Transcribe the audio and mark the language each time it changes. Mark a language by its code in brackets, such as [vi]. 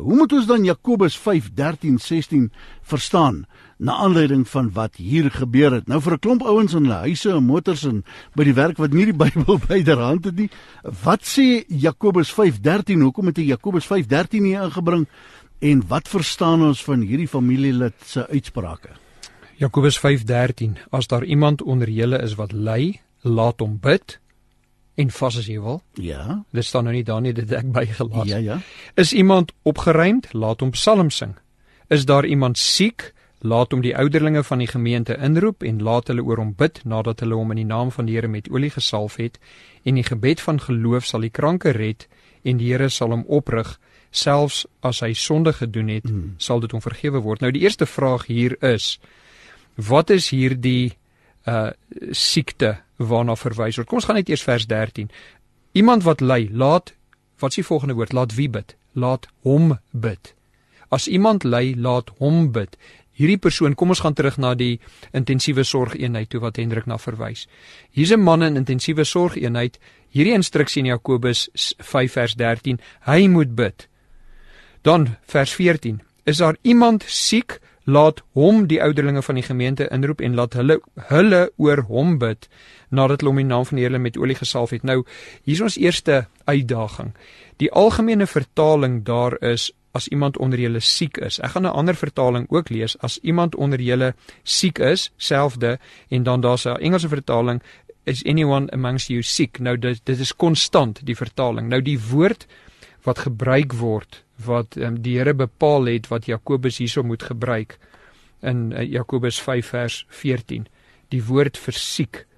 [af] Hoe moet ons dan Jakobus 5:13-16 verstaan, na aanleiding van wat hier gebeur het? Nou, vir 'n klomp ouens in hulle huise en motors en by die werk wat nie die Bybel by der hand het nie, wat sê Jakobus 5:13, hoekom het die Jakobus 5:13 hier ingebring, en wat verstaan ons van hierdie familielid se uitsprake? Jakobus 5:13, as daar iemand onder julle is wat ly, laat hom bid, en vas as jy wil. Ja. Dit staan nou nie daar nie, dit ek bygelaat. Ja, ja. Is iemand opgeruimd, laat hom psalm sing. Is daar iemand siek, laat hom die ouderlinge van die gemeente inroep, en laat hulle oor hom bid, nadat hulle hom in die naam van die Here met olie gesalf het, en die gebed van geloof sal die kranke red, en die Here sal hom oprig, selfs as hy sonde gedoen het, sal dit hom vergewe word. Nou, die eerste vraag hier is, wat is hier die siekte, waarna verwys word. Kom, ons gaan net eers vers 13. Iemand wat ly, laat, wat is die volgende woord? Laat wie bid? Laat hom bid. As iemand ly, laat hom bid. Hierdie persoon, kom ons gaan terug na die intensiewe sorgeenheid toe wat Hendrik na verwys. Hier is 'n man in intensiewe sorgeenheid. Hierdie instruksie in Jakobus 5 vers 13, hy moet bid. Dan vers 14, is daar iemand siek, laat hom die ouderlinge van die gemeente inroep en laat hulle oor hom bid, nadat hulle om die naam van die Here met olie gesalf het. Nou, hier is ons eerste uitdaging. Die algemene vertaling daar is, as iemand onder julle siek is. Ek gaan 'n ander vertaling ook lees, as iemand onder julle siek is, selfde, en dan daar is 'n Engelse vertaling, [en] is anyone amongst you sick? [af] Nou, dit is constant, die vertaling. Nou, die woord wat gebruik word, wat die Here bepaal het, wat Jakobus hierso moet gebruik, in Jakobus 5 vers 14, die woord vir siek,